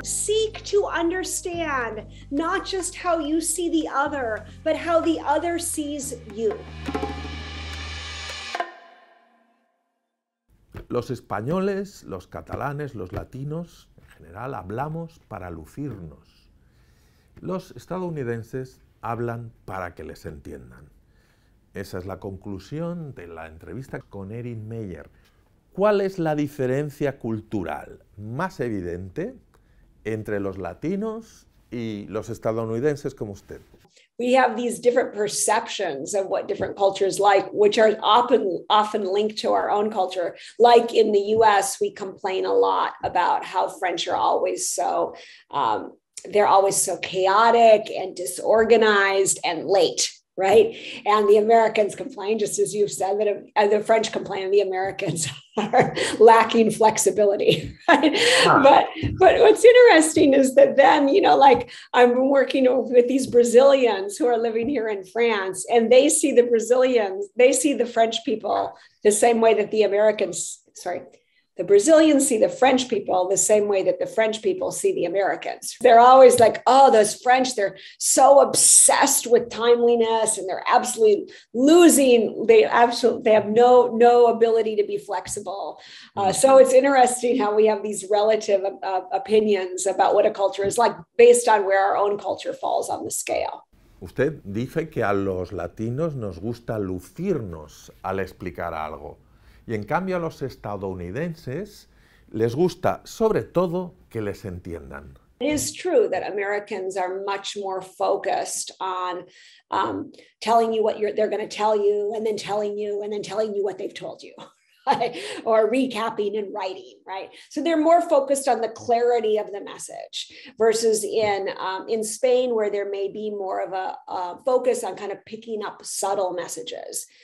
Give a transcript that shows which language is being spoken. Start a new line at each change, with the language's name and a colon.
English: Seek to understand not just how you see the other, but how the other sees you.
Spanish: Los españoles, los catalanes, los latinos, en general, hablamos para lucirnos. Los estadounidenses hablan para que les entiendan. Esa es la conclusión de la entrevista con Erin Meyer. ¿Cuál es la diferencia cultural más evidente entre los latinos y los estadounidenses como usted?
English: We have these different perceptions of what different cultures like, which are often linked to our own culture. Like in the US, we complain a lot about how French are always so, they're always so chaotic and disorganized and late, right? And the Americans complain, just as you've said, that the French complain, the Americans are lacking flexibility, right? Huh. But what's interesting is that then, you know, like I'm working with these Brazilians who are living here in France, and they see the Brazilians, they see the French people the same way that the Americans, the Brazilians see the French people the same way that the French people see the Americans. They're always like, oh, those French, they're so obsessed with timeliness and they're absolutely losing. They have no ability to be flexible. So it's interesting how we have these relative opinions about what a culture is like based on where our own culture falls on the scale.
Spanish: Usted dice que a los latinos nos gusta lucirnos al explicar algo. Y en cambio a los estadounidenses les gusta sobre todo que les entiendan.
English: It is true that Americans are much more focused on telling you what they're going to tell you and then telling you and then telling you what they've told you. Or recapping and writing, right? So they're more focused on the clarity of the message versus in Spain, where there may be more of a focus on kind of picking up subtle messages.